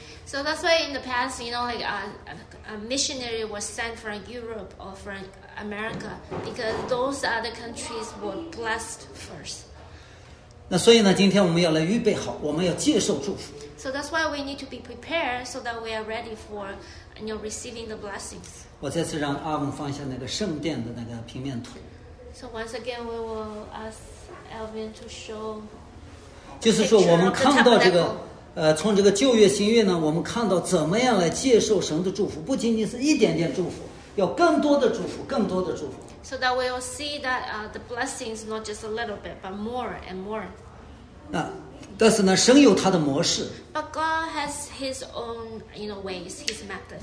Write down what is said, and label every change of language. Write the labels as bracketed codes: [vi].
[en] So that's why in the past, you know, like a missionary was sent from Europe or from America because those other countries were blessed first. [zh] 那所以呢，今天我们要来预备好，我们要接受祝福。 [en] So that's why we need to be prepared so that we are ready for, you know, receiving the blessings. [zh] 我再次让阿文放下那个圣殿的那个平面图。 [en] So once again, we will ask Alvin to show. [zh] 就是说，我们看到这个。从这个旧约新约呢，我们看到怎么样来接受神的祝福，不仅仅是一点点祝福，要更多的祝福，更多的祝福。 [en] So that we will see that the blessing is not just a little bit, but more and more. [zh] 那但是呢，神有他的模式。 [en] But God has His own, you know, ways, His methods.